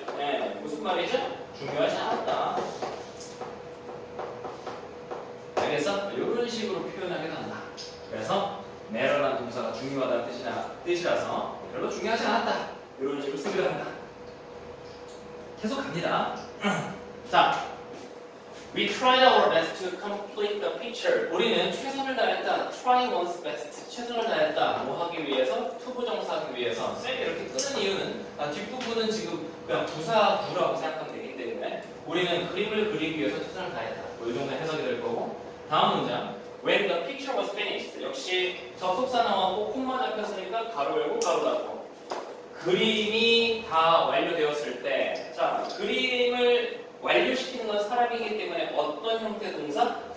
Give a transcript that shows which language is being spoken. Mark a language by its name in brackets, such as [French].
[Korean] 예 네, 무슨 말이죠? 중요하지 않았다. 알겠어? 요런 식으로 표현하기도 한다. 그래서 matter라는 동사가 중요하다는 뜻이라서 별로 중요하지 않았다 이런 식으로 쓰기도 한다. 계속 갑니다. [English] 자, we tried our best to complete the picture. [Korean] 우리는 최선을 다했다. [English] Try one's best. [Korean] 최선을 다했다. 뭐 하기 위해서? To 부정사하기 위해서. 쌤이 이렇게 끄는 이유는 뒷부분은 지금 그냥 부사구라고 생각하면 되기 때문에 우리는 그림을 그리기 위해서 최선을 다했다. 뭐 이 정도 해석이 될 거고 다음 문장. [English] When the picture was finished, [Korean] 역시 접속사 나왔고 콤마 잡혔으니까 가로 열고 가로 닫고 그림이 다 완료되었을 때 자, 그림을 완료시키는 건 사람이기 때문에 어떤 형태의 동사?